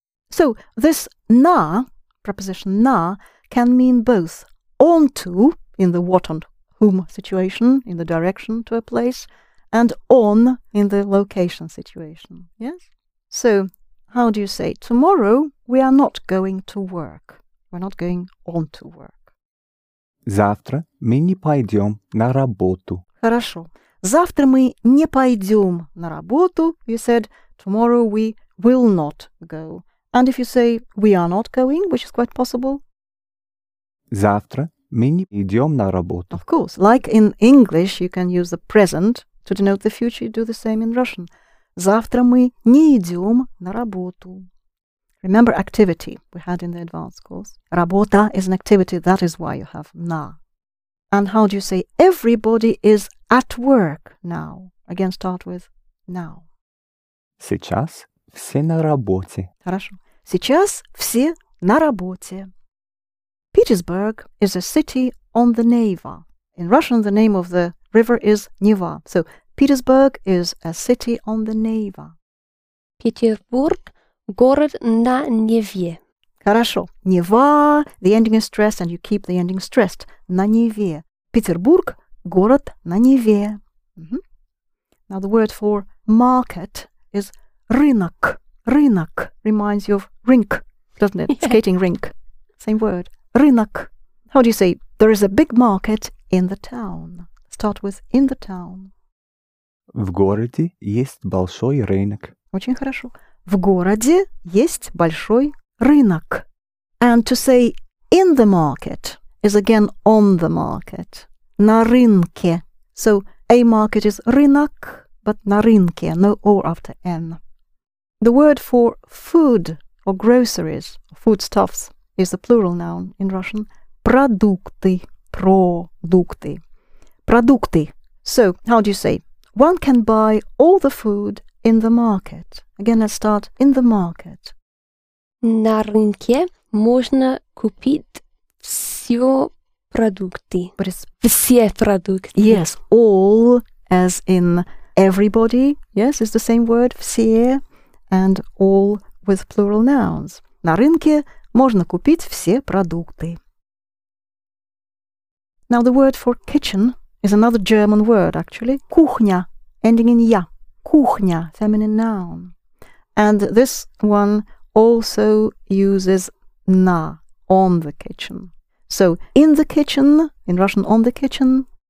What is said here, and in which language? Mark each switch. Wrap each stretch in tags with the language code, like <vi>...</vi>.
<en>So this на, preposition на, can mean both onto in the what and whom situation, in the direction to a place, and on in the location situation. Yes? So how do you say tomorrow we are not going to work? We're not going on to work.</en> <ru>Завтра мы не пойдем на работу. Хорошо. Завтра мы не пойдем на работу.</ru> <en>You said, tomorrow we will not go. And if you say, we are not going, which is quite possible.</en> <ru>Завтра мы не идем на работу.</ru> <en>Of course. Like in English, you can use the present to denote the future. You do the same in Russian.</en> <ru>Завтра мы не идем на работу.</ru> <en>Remember activity we had in the advanced course. Работа is an activity, that is why you have на. And how do you say everybody is at work now? Again, start with now.</en> <ru>Сейчас все на работе. Хорошо. Сейчас все на работе.</ru> <en>Petersburg is a city on the Neva. In Russian, the name of the river is Neva. So, Petersburg is a city on the Neva.</en> <ru>Петербург. Город на Неве. Хорошо.</ru> <en>Нева, the ending is stressed and you keep the ending stressed.</en> <ru>На Неве. Петербург, город на Неве.</ru> <en>Mm-hmm. Now the word for market is рынок. Рынок reminds you of rink, doesn't it? Yeah. Skating rink. Same word. Рынок. How do you say, there is a big market In the town. Start with in the town.</en> <ru>В городе есть большой рынок. Очень хорошо. В городе есть большой рынок.</ru> <en>And to say in the market is again on the market.</en> <ru>На рынке.</ru> <en>So a market is рынок, but на рынке, no O after N. The word for food or groceries, foodstuffs, is the plural noun in Russian.</en> <ru>Продукты. Продукты. Продукты.</ru> <en>So how do you say? One can buy all the food in the market. Again, let's start in the market.</en> <ru>На рынке можно купить все продукты.</ru> <en>But it's</en> <ru>все продукты.</ru> <en>Yes, all, as in everybody. Yes, it's the same word, все, and all with plural nouns.</en> <ru>На рынке можно купить все продукты.</ru> <en>Now, the word for kitchen is another German word, actually. Кухня. Ending in ya, kuchnya, feminine noun. And this one also uses na, on the kitchen. So, in the kitchen, in Russian, on the kitchen.</en>